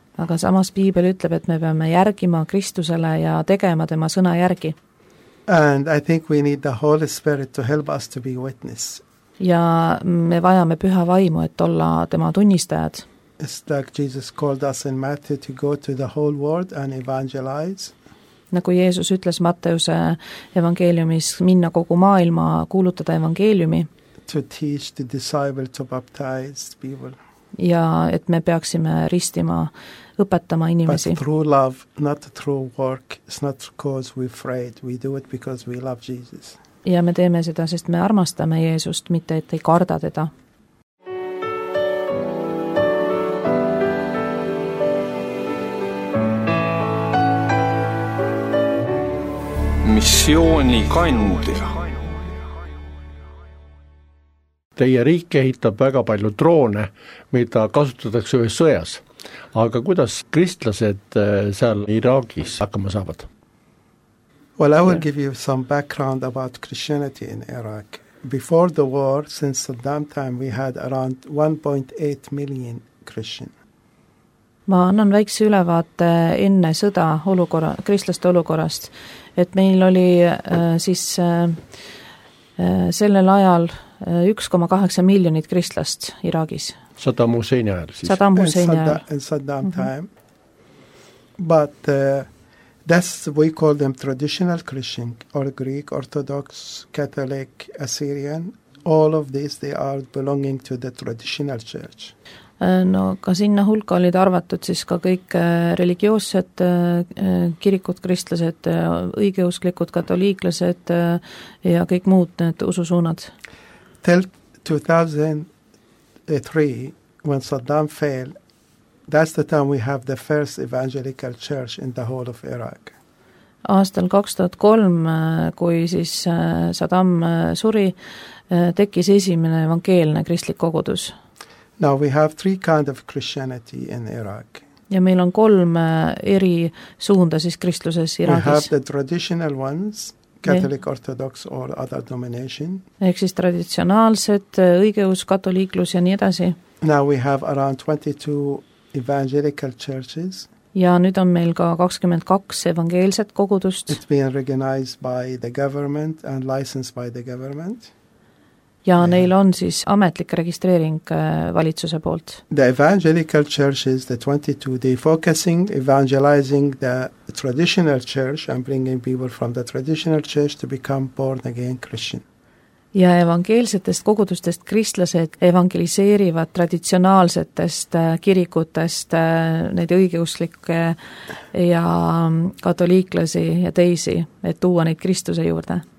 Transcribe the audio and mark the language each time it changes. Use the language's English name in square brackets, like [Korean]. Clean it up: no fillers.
[Estonian] Aga samas piibel ütleb, et me peame järgima Kristusele ja tegema tema sõna järgi. [English] And I think we need the Holy Spirit to help us to be witness. [Estonian] Ja me vajame püha vaimu, et olla tema tunnistajad. [English] It's like Jesus called us in Matthew to go to the whole world and evangelize. [Estonian] Nagu Jeesus ütles Matteuse evangeeliumis, minna kogu maailma, kuulutada evangeeliumi. [English] To teach the disciple to baptize people. [Estonian] Ja et me peaksime ristima, õpetama inimesi. [English] But true love, not true work, it's not because we're afraid. We do it because we love Jesus. [Estonian] ja me teeme seda, sest me armastame Jeesust, mitte et ei karda teda. Missiooni kandja. Teie riik ehitab väga palju droone, mida kasutatakse ühes sõjas. Aga kuidas kristlased seal Iraagis hakkama saavad? [English] Well, I will give you some background about Christianity in Iraq. Before the war, since Saddam time, we had around 1.8 million Christians. [Estonian] Ma annan väikse ülevaate enne sõda olukorra, kristlaste olukorrast, et meil oli sellel ajal 1,8 miljonit kristlast Iraagis. Saddam Hussein ajal siis. Saddam Hussein ajal. [English] In Saddam time. But that's, we call them traditional Christian, or Greek, Orthodox, Catholic, Assyrian. All of these, they are belonging to the traditional church. [Estonian] No ka sinna hulka olid arvatud siis ka kõik religioossed kirikud, kristlased, õigeusklikud, katoliiklased ja kõik muud need ususuunad. [English] Till 2003, when Saddam fell, that's the time we have the first evangelical church in the whole of Iraq. [Estonian] Aastal 2003, kui siis Saddam suri, tekis esimene evangeelne kristlik kogudus. [English] Now we have three kind of Christianity in Iraq. [Estonian] Ja meil on kolm eri suunda siis kristluses Iraagis. [English] We have the traditional ones, Catholic, Orthodox or other denomination. [Estonian] Ehk siis traditsionaalsed, õigeus, katoliiklus ja nii edasi. [English] Now we have around 22 evangelical churches. [Estonian] Ja nüüd on meil ka 22 evangeelset kogudust. [English] It's been recognized by the government and licensed by the government. [Estonian] Ja neil on siis ametlik registreering valitsuse poolt. [English] The evangelical churches, the 22, they focusing, evangelizing the traditional church and bringing people from the traditional church to become born again Christian. [Estonian] Ja evangeelsetest kogudustest kristlased evangeliseerivad traditsionaalsetest kirikutest neid õigeuslikke ja katoliiklasi ja teisi, et tuua neid kristuse juurde.